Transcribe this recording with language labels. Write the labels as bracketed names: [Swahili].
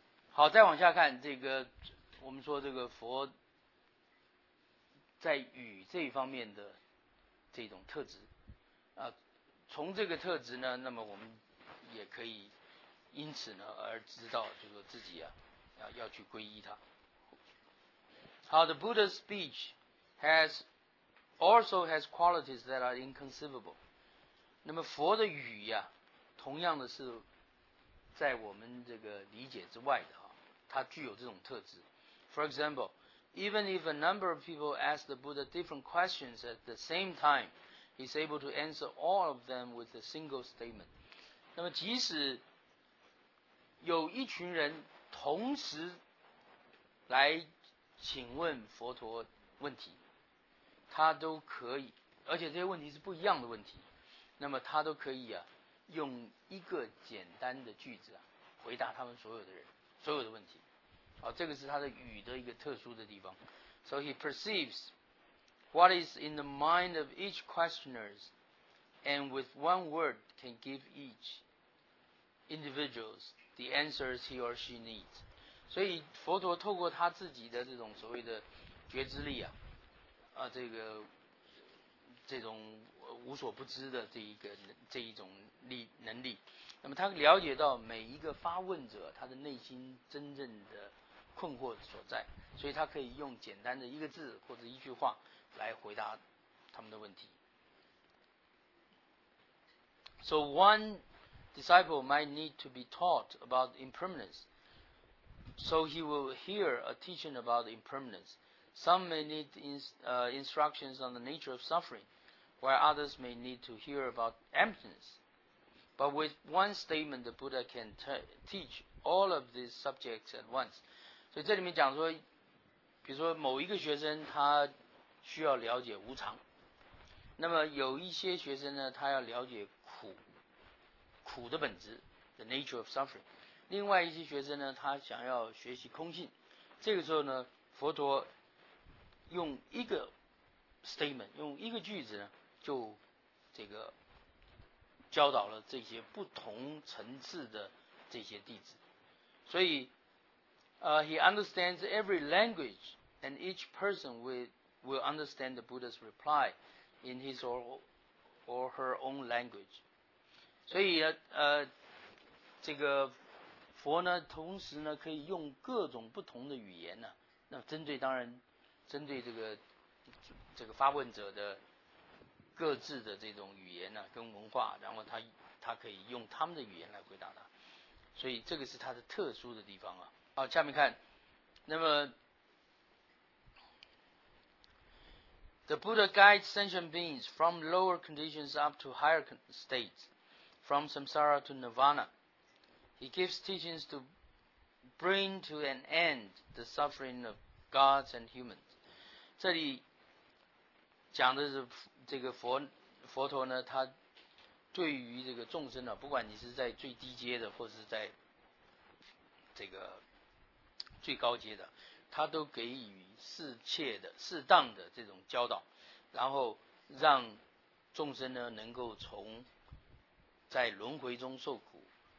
[Chinese] 好，再往下看，这个我们说这个佛在语这一方面的这种特质啊，从这个特质呢，那么我们也可以因此呢而知道，就是说自己啊要去皈依他。 [English] How the Buddha's speech has also has qualities that are inconceivable. [Chinese] 那么佛的语呀、啊，同样的是在我们这个理解之外的、啊、它具有这种特质。 [English] For example, even if a number of people ask the Buddha different questions at the same time, he's able to answer all of them with a single statement. [Chinese] 那么即使有一群人同时来请问佛陀问题，他都可以，而且这些问题是不一样的问题，那么他都可以啊，用一个简单的句子啊，回答他们所有的人，所有的问题。好，这个是他的语的一个特殊的地方。 [English] So he perceives what is in the mind of each questioner, and with one word can give each individual the answers he or she needs. [Chinese] 所以佛陀透过他自己的这种所谓的觉知力啊，这种无所不知的这一种力能力，那么他了解到每一个发问者他的内心真正的困惑所在，所以他可以用简单的一个字或者一句话来回答他们的问题。 [English] So one disciple might need to be taught about impermanence. So he will hear a teaching about impermanence. Some may need instructions on the nature of suffering, while others may need to hear about emptiness. But with one statement, the Buddha can teach all of these subjects at once. [Chinese] 所以这里面讲说，比如说某一个学生他需要了解无常，那么有一些学生呢，他要了解苦的本质 ， [English] the nature of suffering. [Chinese] 另外一些学生呢，他想要学习空性，这个时候呢，佛陀用一个 statement， 用一个句子呢，就这个教导了这些不同层次的这些弟子。所以， [English] he understands every language, and each person will understand the Buddha's reply in his or her own language. [Chinese] 所以这个。佛呢，同时呢，可以用各种不同的语言呢、啊，那针对当然，针对这个发问者的各自的这种语言呢、啊、跟文化，然后他可以用他们的语言来回答他，所以这个是他的特殊的地方啊。好，下面看，那么 [English] ，The Buddha guides sentient beings from lower conditions up to higher states, from samsara to nirvana. He gives teachings to bring to an end the suffering of gods and humans. [Chinese] 这里讲的是这个佛陀呢，他对于这个众生呢、啊，不管你是在最低阶的，或是在这个最高阶的，他都给予适当的这种教导，然后让众生呢能够从在轮回中受苦。